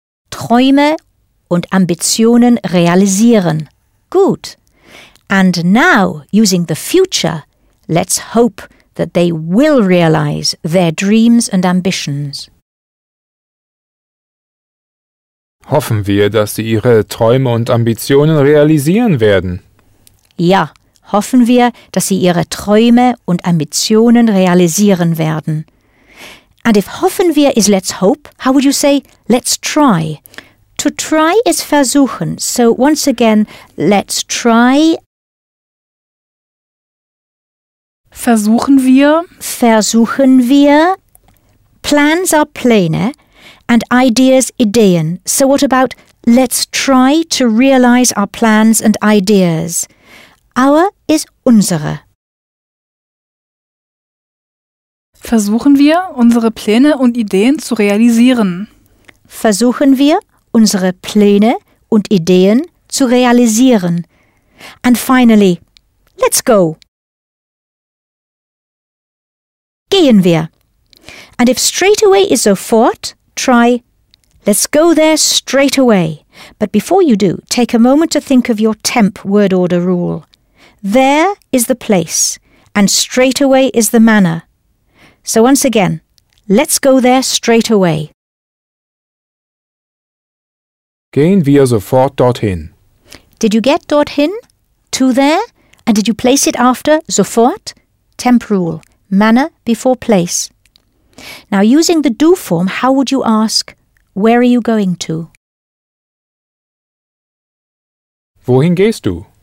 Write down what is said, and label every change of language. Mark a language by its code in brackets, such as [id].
[de] Träume und Ambitionen realisieren. Gut. [en] And now, using the future, let's hope that they will realize their dreams and ambitions. [de] Hoffen wir, dass sie ihre Träume und Ambitionen realisieren werden. Ja, hoffen wir, dass sie ihre Träume und Ambitionen realisieren werden. [en] And if [de] hoffen wir [en] is let's hope, how would you say let's try? To try is versuchen. So once again, let's try. [de] Versuchen wir. Versuchen wir. [en] Plans are [de] Pläne. [en] And ideas, Ideen. So what about let's try to realize our plans and ideas? Our is unsere. [de] Versuchen wir, unsere Pläne und Ideen zu realisieren. Versuchen wir, unsere Pläne und Ideen zu realisieren. [en] And finally, let's go. [de] Gehen wir. [en] And if straight away is sofort, try, let's go there straight away. But before you do, take a moment to think of your temp word order rule. There is the place, and straight away is the manner. So once again, let's go there straight away. [de] Gehen wir sofort dorthin. [en] Did you get dorthin? To there? And did you place it after sofort? Temp rule, manner before place. Now, using the do form, how would you ask, where are you going to? [de] Wohin gehst du?